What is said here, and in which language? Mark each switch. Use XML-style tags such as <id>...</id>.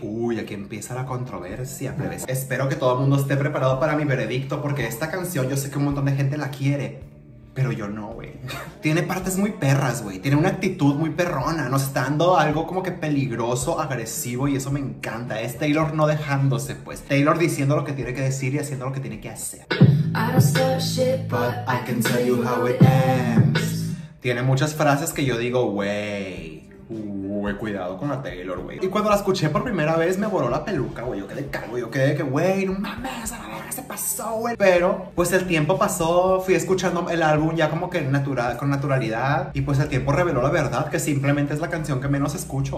<es>Uy, aquí empieza la controversia, plebes. Espero que todo el mundo esté preparado para mi veredicto, porque esta canción yo sé que un montón de gente la quiere, pero yo no, güey. Tiene partes muy perras, güey. Tiene una actitud muy perrona. Nos está dando algo como que peligroso, agresivo, y eso me encanta. Es Taylor no dejándose, pues. Taylor diciendo lo que tiene que decir y haciendo lo que tiene que hacer.</es> <en>I don't start shit, but I can tell you how it ends.</en> <es>Tiene muchas frases que yo digo, wey. güey, cuidado con la Taylor, güey. Y cuando la escuché por primera vez, me voló la peluca, güey. Yo quedé calvo, yo quedé que, güey, no mames, a la verga se pasó, güey. Pero, pues el tiempo pasó, fui escuchando el álbum ya como que natural, con naturalidad. Y pues el tiempo reveló la verdad, que simplemente es la canción que menos escucho.</es>